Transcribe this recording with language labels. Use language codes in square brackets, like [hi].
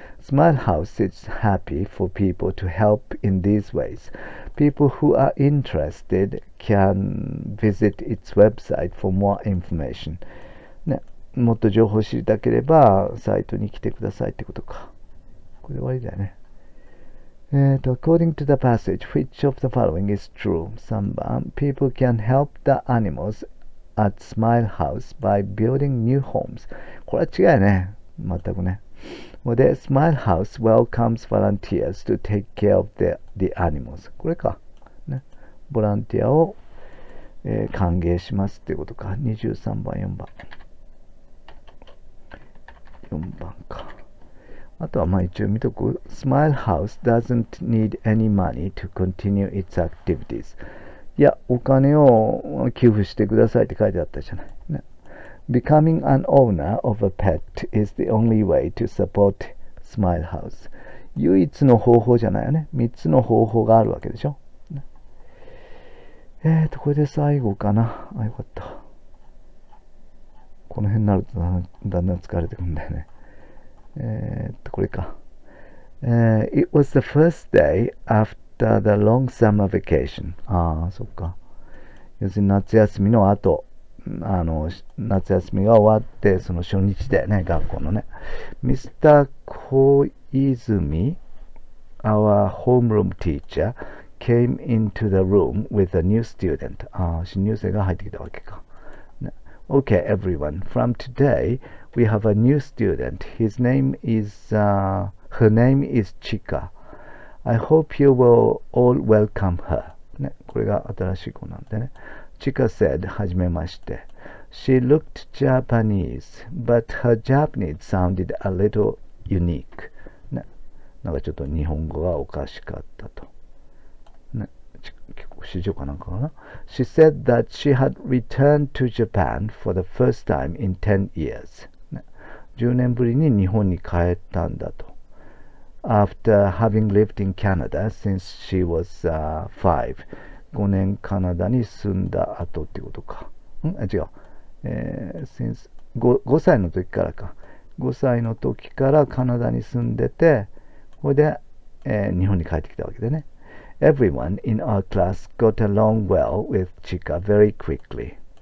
[en] Smile House is happy for people to help in these ways。 People who are interested can visit its website for more information。 [ja] ね、もっと情報を知りたければサイトに来てくださいってことか。これで終わりだよね。 [en] According to the passage, which of the following is true? [ja] 3番、 [en] People can help the animals at Smile House by building new homes。 [ja] これは違うね、全くね。 [en] Well, the Smile House welcomes volunteers to take care of the animals。 [ja] これか、ね、ボランティアを、歓迎しますってことか。 23番、4番、4番か。あとはまあ一応見とく。 [en] Smile House doesn't need any money to continue its activities。 [ja] いや、お金を寄付してくださいって書いてあったじゃない、ね、 [en] Becoming an owner of a pet is the only way to support Smile House。 [ja] 唯一の方法じゃないよね。3つの方法があるわけでしょ、ね、これで最後かな。あ、よかった。この辺になるとだんだん疲れてくるんだよね。これか。 [en] It was the first day after the long summer vacation。 [ja] ああ、そっか。要するに夏休みの後、夏休みが終わってその初日だよね、学校のね。 [en] Mr. 小泉 our homeroom teacher came into the room with a new student。 [ja] ああ、新入生が入ってきたわけか。 [en] Okay, everyone. From today, we have a new student. His name is, her name is Chika. I hope you will all welcome her. [ja] ね、これが新しい子なんでね。 [en] Chika said, [ja] はじめまして。 [en] She looked Japanese, but her Japanese sounded a little unique. [ja] ね、なんかちょっと日本語がおかしかったと。市場かなんかかな。 [en] She said that she had returned to Japan for the first time in 10 years、 [ja] ね、10年ぶりに日本に帰ったんだと。 [en] After having lived in Canada since she was 5、 [ja] 5年カナダに住んだ後ってことか。ん、あ、違う、since 5歳の時からか。 5歳の時からカナダに住んでて、これで、日本に帰ってきたわけでね。 [en] Everyone in our class got along well with Chika very quickly.